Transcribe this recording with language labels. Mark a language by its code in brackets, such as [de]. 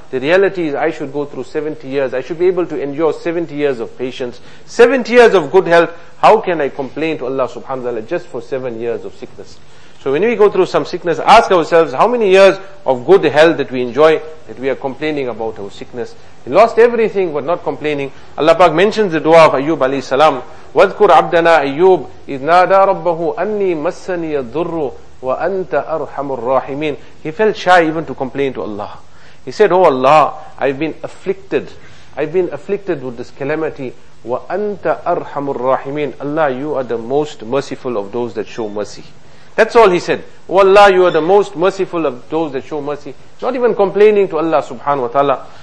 [en] The reality is I should go through 70 years. I should be able to endure 70 years of patience. 70 years of good health. How can I complain to Allah subhanahu wa ta'ala just for 7 years of sickness? So when we go through some sickness, ask ourselves how many years of good health that we enjoy that we are complaining about our sickness. He lost everything but not complaining. Allah Pak mentions the dua of Ayyub alayhi salam. [ar] وَذْكُرْ عَبْدَنَا أَيُّوب إِذْ نَادَى رَبَّهُ أَنِّي مَسَّنِيَ الضُّرُّ وَأَنْتَ أَرْحَمُ الرَّاحِمِينَ [en] He felt shy even to complain to Allah. He said, oh Allah, I've been afflicted with this calamity. [ar] وَأَنْتَ أَرْحَمُ الرَّاحِمِينَ [en] Allah, you are the most merciful of those that show mercy. That's all he said. Oh Allah, you are the most merciful of those that show mercy. Not even complaining to Allah subhanahu wa ta'ala.